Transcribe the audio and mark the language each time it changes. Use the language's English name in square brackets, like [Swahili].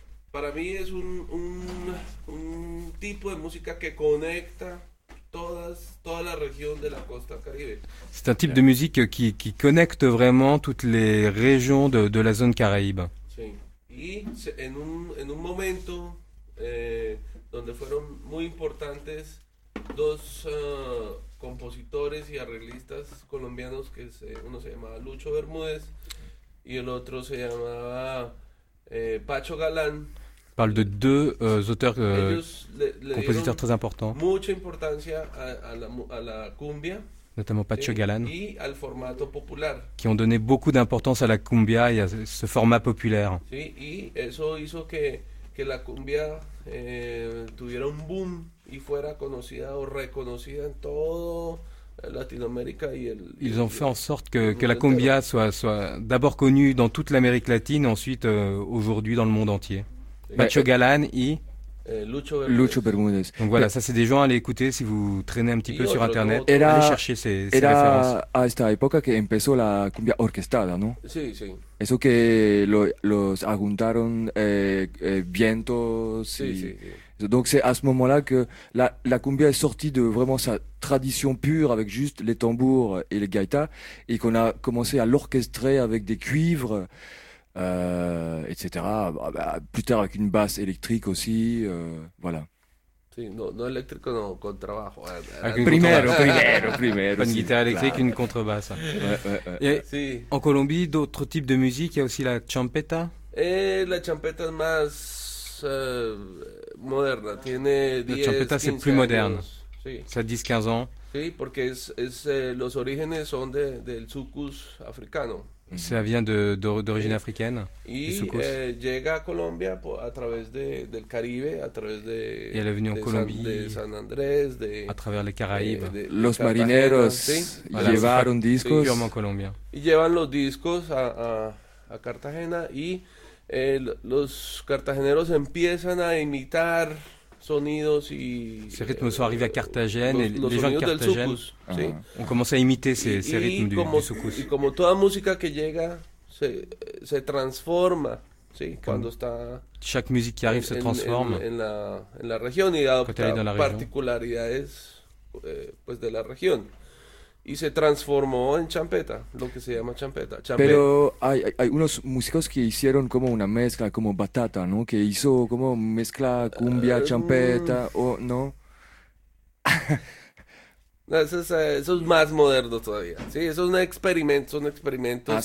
[Spanish] Para mí es un tipo de música que conecta toda la región de la costa caribe. [French] C'est un type de musique qui connecte vraiment toutes les régions de la zone caraïbe. [Spanish] Sí. Y en un momento donde fueron muy importantes dos compositores y arreglistas colombianos, que uno se llamaba Lucho Bermúdez y el otro se llamaba Pacho Galán. [French] Parle de deux auteurs, compositeurs très importants. [Spanish] Mucha importancia a la cumbia, [French] notamment Pacho Galán, [Spanish] y al formato popular, [French] qui ont donné beaucoup d'importance à la cumbia et à ce format populaire. [Spanish] Sí, y eso hizo que la cumbia tuviera un boom y fuera conocida o reconocida en todo Latinoamérica y el. [French] Ils ont fait en sorte que la cumbia soit d'abord connue dans toute l'Amérique latine, ensuite aujourd'hui dans le monde entier. [Spanish] Pacho Galán y Lucho Bermúdez. [French] Donc voilà, ça c'est des gens à aller écouter si vous traînez un petit peu sur internet. [Spanish] Era, [French] allez chercher ces références. [Spanish] Era a esta época que empezó la cumbia orquestada, ¿no? Sí, sí. Eso que los juntaron vientos. Sí, y, sí, sí. [French] Donc c'est à ce moment-là que la cumbia est sortie de vraiment sa tradition pure avec juste les tambours et les gaitas et qu'on a commencé à l'orchestrer avec des cuivres. Etc. Plus tard avec une basse électrique aussi, voilà. [Spanish] Sí, no eléctrico, no contrabajo. Primero. [French] Pas une guitare électrique, claro. Une contrebasse. Ouais. [Spanish] Sí. [French] En Colombie, d'autres types de musique, il y a aussi la champeta. Et la champeta est más moderne. [Spanish] Tiene 10, [French] la champeta, c'est plus moderne. [Spanish] Sí. [French] Ça a 10-15 ans. [Spanish] Sí, porque los orígenes son del sucus africano. [French] Ça vient d'origine africaine. [Spanish] Llega a Colombia a través del Caribe, a través de. [French] Et elle est venue en Colombie. [Spanish] De San Andrés, de. [French] À travers les Caraïbes. [Spanish] Los marineros llevaron discos. [French] C'est purement colombien. [Spanish] Y llevan los discos a Cartagena y los cartageneros empiezan a imitar sonidos y. [French] Ces rythmes sont arrivés à Cartagène et les gens de Cartagène ont commencé à imiter ces rythmes du soukous. Et comme toute musique qui arrive, se transforme. [Spanish] Sí, cuando está [French] chaque musique qui arrive se transforme. En la région y adopte les particularités pues de la région. [Spanish] Y se transformó en champeta, lo que se llama champeta. Pero hay unos músicos que hicieron como una mezcla, como batata, ¿no? Que hizo como mezcla cumbia, champeta, ¿o no? eso es más moderno todavía, ¿sí? Eso es un experimento, son experimentos